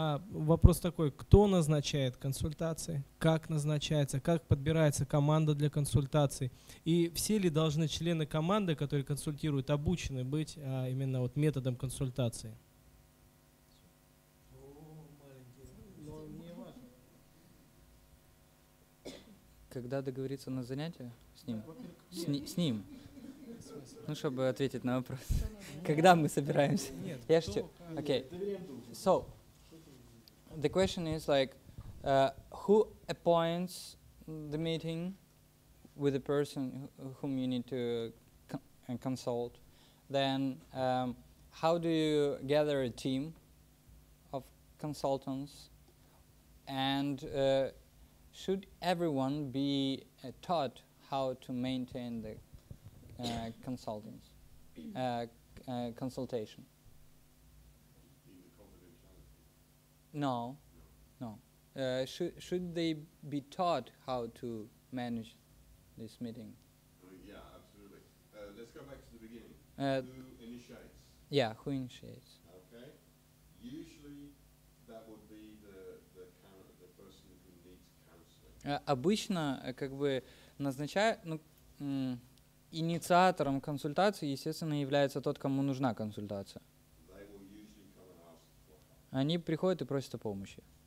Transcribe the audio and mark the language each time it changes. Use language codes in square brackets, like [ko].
[ru] Вопрос такой, кто назначает консультации, как назначается, как подбирается команда для консультаций, и все ли должны члены команды, которые консультируют, обучены быть именно вот методом консультации? Но не важно. когда договориться на занятие с ним? С ним. Ну, чтобы ответить на вопрос. Когда мы собираемся? Нет. Я шучу. Окей. [en] So, the question is like, who appoints the meeting with the person whom you need to consult? Then, how do you gather a team of consultants? And should everyone be taught how to maintain the consultants, consultation? No. Should they be taught how to manage this meeting? Yeah, absolutely. Let's go back to the beginning. Who initiates? Yeah, who initiates? Okay. Usually, that would be the person who needs counseling. [ru] Обычно, как бы назначают, ну, инициатором консультации, естественно, является тот, кому нужна консультация. Они приходят и просят о помощи.